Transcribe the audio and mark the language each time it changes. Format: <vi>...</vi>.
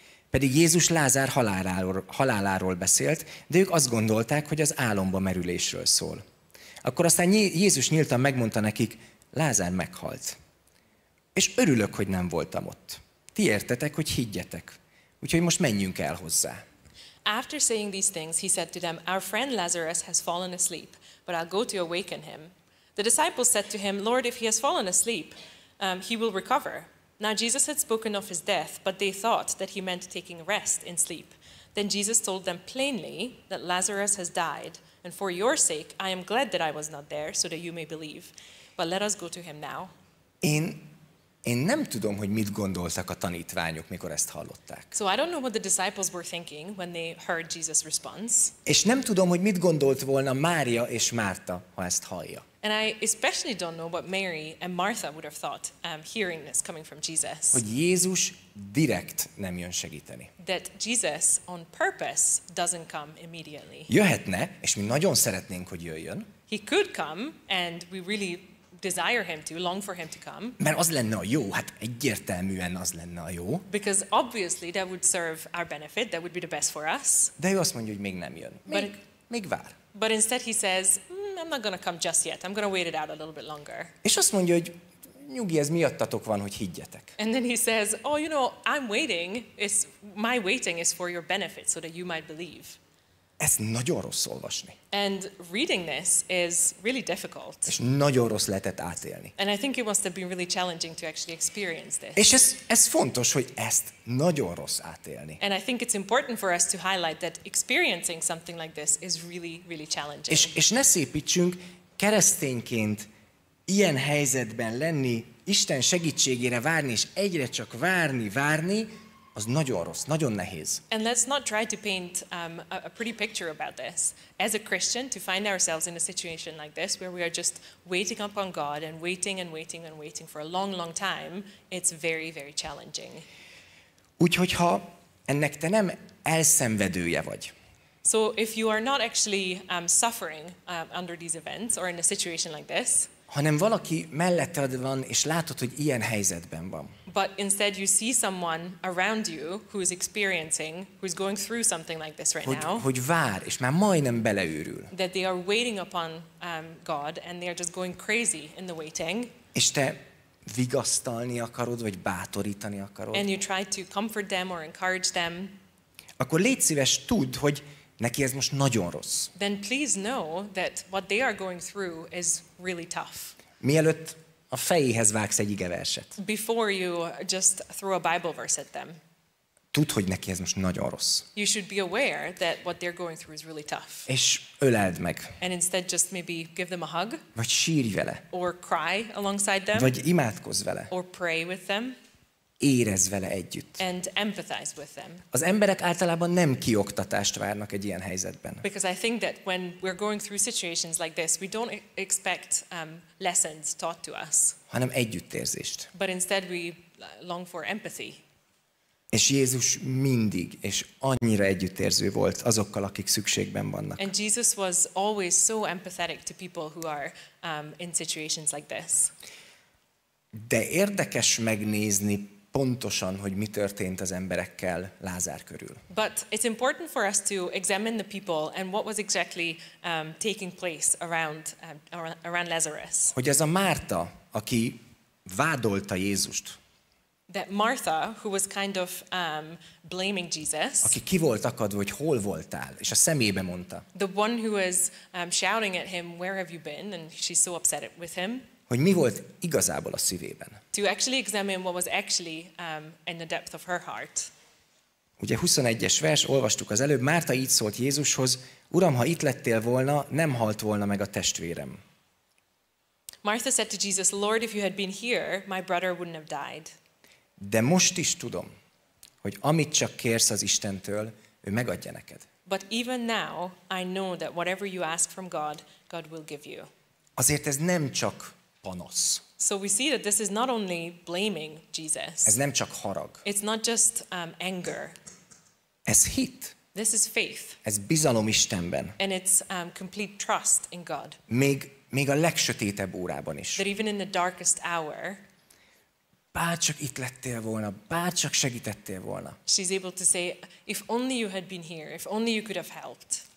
<hu>Pedig Jézus Lázár haláláról beszélt, de ők azt gondolták, hogy az álomba merülésről szól. Akkor aztán Jézus nyíltan megmondta nekik: Lázár meghalt. És örülök, hogy nem voltam ott. Ti értetek, hogy higgyetek. Úgyhogy most menjünk el hozzá.</hu> <en>After saying these things, he said to them, our friend Lazarus has fallen asleep, but I'll go to awaken him. The disciples said to him, Lord, if he has fallen asleep, he will recover. Now Jesus had spoken of his death, but they thought that he meant taking rest in sleep. Then Jesus told them plainly that Lazarus has died, and for your sake, I am glad that I was not there, so that you may believe. But let us go to him now.</en> <hu>Én nem tudom, hogy mit gondoltak a tanítványok, mikor ezt hallották.</hu> <en>So I don't know what the disciples were thinking when they heard Jesus' response.</en> <hu>És nem tudom, hogy mit gondolt volna Mária és Márta, ha ezt hallja.</hu> <en>And I especially don't know what Mary and Martha would have thought hearing this coming from Jesus.</en> <hu>Hogy Jézus direkt nem jön segíteni.</hu> <en>That Jesus on purpose doesn't come immediately.</en> <hu>Jöhetne, és mi nagyon szeretnénk, hogy jöjjön.</hu> <en>He could come and we really desire him to, long for him to come.</en> <hu>Mert az lenne a jó, hát egyértelműen az lenne a jó.</hu> <en>Because obviously that would serve our benefit, that would be the best for us.</en> <hu>De ő azt mondja, hogy még nem jön. Még vár.</hu> <en>But instead he says, I'm not gonna come just yet, I'm gonna wait it out a little bit longer.</en> <hu>És azt mondja, hogy nyugi, ez miattatok van, hogy higgyetek.</hu> <en>And then he says, oh, you know, I'm waiting, it's, my waiting is for your benefit, so that you might believe.</en> <hu>Ez nagyon rossz olvasni.</hu> <en>And reading this is really difficult.</en> <hu>És nagyon rossz lehetett átélni.</hu> <en>And I think it must have been really challenging to actually experience this.</en> <hu>És ez fontos, hogy ezt nagyon rossz átélni.</hu> <en>And I think it's important for us to highlight that experiencing something like this is really, really challenging.</en> <hu>És ne szépítsünk keresztényként ilyen helyzetben lenni, Isten segítségére várni, és egyre csak várni, az nagyon rossz, nagyon nehéz.</hu> <en>And let's not try to paint a pretty picture about this. As a Christian, to find ourselves in a situation like this, where we are just waiting upon God and waiting and waiting and waiting for a long, long time, it's very, very challenging.</en> <hu>Úgyhogy ha ennek te nem elszenvedője vagy.</hu> <en>So if you are not actually suffering under these events or in a situation like this,</en> <hu>hanem valaki melletted van, és látod, hogy ilyen helyzetben van.</hu> <en>But instead you see someone around you who is experiencing, who is going through something like this right now.</en> <hu>Hogy vár, és már majdnem beleőrül.</hu> <en>That they are waiting upon God, and they are just going crazy in the waiting.</en> <hu>És te vigasztalni akarod, vagy bátorítani akarod.</hu> <en>And you try to comfort them or encourage them.</en> <hu>Akkor légy szíves, tudd, hogy neki ez most nagyon rossz.</hu> <en>Then please know that what they are going through is really tough.</en> <hu>Mielőtt a fejéhez vágsz egy igeverset.</hu> <en>Before you just throw a Bible verse at them.</en> <hu>Tudd, hogy neki ez most nagyon rossz.</hu> <en>You should be aware that what they're going through is really tough.</en> <hu>És öleld meg.</hu> <en>And instead just maybe give them a hug.</en> <hu>Vagy sírj vele.</hu> <en>Or cry alongside them.</en> <hu>Vagy imádkozz vele.</hu> <en>Or pray with them.</en> <hu>Érezz vele együtt.</hu> <en>And empathize with them.</en> <hu>Az emberek általában nem kioktatást várnak egy ilyen helyzetben.</hu> <en>Because I think that when we're going through situations like this, we don't expect lessons taught to us.</en> <hu>Hanem együttérzést.</hu> <en>But instead we long for empathy.</en> <hu>És Jézus mindig és annyira együttérző volt azokkal, akik szükségben vannak.</hu> <en>And Jesus was always so empathetic to people who are in situations like this.</en> <hu>De érdekes megnézni pontosan, hogy mi történt az emberekkel Lázár körül.</hu> <en>But it's important for us to examine the people and what was exactly taking place around Lazarus.</en> <hu>Hogy ez a Márta, aki vádolta Jézust.</hu> <en>That Martha, who was kind of blaming Jesus.</en> <hu>Aki ki volt akadva, hogy hol voltál, és a szemébe mondta.</hu> <en>The one who was shouting at him, where have you been? And she's so upset with him.</en> <hu>Hogy mi volt igazából a szívében.</hu> <en>To actually examine what was actually in the depth of her heart.</en> <hu>Ugye 21-es vers, olvastuk az előbb, Márta így szólt Jézushoz, Uram, ha itt lettél volna, nem halt volna meg a testvérem.</hu> <en>Martha said to Jesus, Lord, if you had been here, my brother wouldn't have died.</en> <hu>De most is tudom, hogy amit csak kérsz az Istentől, ő megadja neked.</hu> <en>But even now, I know that whatever you ask from God, God will give you.</en> <hu>Azért ez nem csak panosz.</hu> <en>So we see that this is not only blaming Jesus.</en> <hu>Ez nem csak harag.</hu> <en>It's not just anger.</en> <hu>Ez hit.</hu> <en>This is faith.</en> <hu>Ez bizalom Istenben.</hu> <en>And it's complete trust in God.</en> <hu>Még a legsötétebb órában is.</hu> <en>That even in the darkest hour.</en> <hu>Bárcsak itt lettél volna, bárcsak segítettél volna.</hu> <en>She's able to say, if only you had been here, if only you could have helped.</en>